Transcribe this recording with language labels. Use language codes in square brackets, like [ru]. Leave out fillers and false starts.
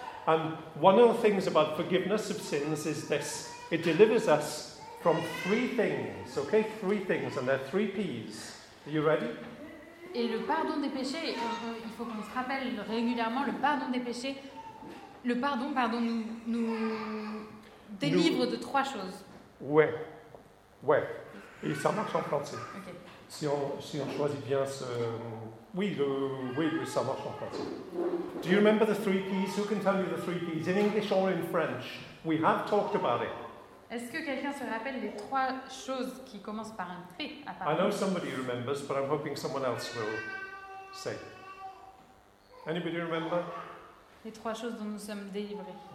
[en] And one of the things about forgiveness of sins is this. It delivers us from three things, okay? Three things, and they're three P's. Are you ready? [fr] Et le pardon des péchés, il faut qu'on se rappelle régulièrement, le pardon des péchés, le pardon, pardon, nous délivre de trois choses. Ouais, ouais. Et ça marche en français. Okay. Si on choisit bien ce... Oui, ça marche en français. [en] Do you remember the three P's? Who can tell you the three P's? In English or in French? We have talked about it. [fr] Est-ce que quelqu'un se rappelle les trois choses qui commencent par un P? [en] I know somebody remembers, but I'm hoping someone else will say. Anybody remember? [fr] Les trois choses dont nous sommes délivrés.